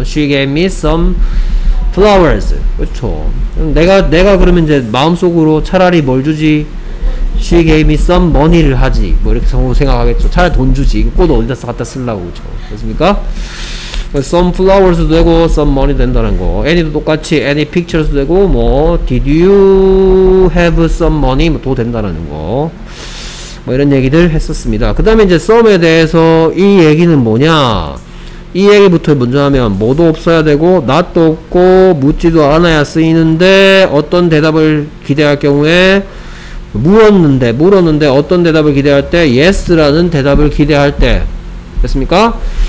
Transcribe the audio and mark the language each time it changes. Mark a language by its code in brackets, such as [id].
[en] She gave me some flowers. [ko] 그렇죠. 내가 그러면 이제 마음속으로 차라리 뭘 주지? [en] She gave me some money [ko] 를 하지. 뭐 이렇게 생각하겠죠. 차라리 돈 주지. 꽃 어디다 갖다 쓰려고. 그렇죠. 됐습니까? some flowers도 되고 some money 된다는 거. any도 똑같이 any pictures도 되고 뭐 [en] did you have some money [ko] 도 된다는 거. 뭐 이런 얘기들 했었습니다. 그 다음에 이제 some에 대해서 이 얘기는 뭐냐, 이 얘기부터 먼저 하면 뭐도 없어야 되고 not도 없고 묻지도 않아야 쓰이는데 어떤 대답을 기대할 경우에 물었는데 어떤 대답을 기대할 때 yes라는 대답을 기대할 때. 됐습니까?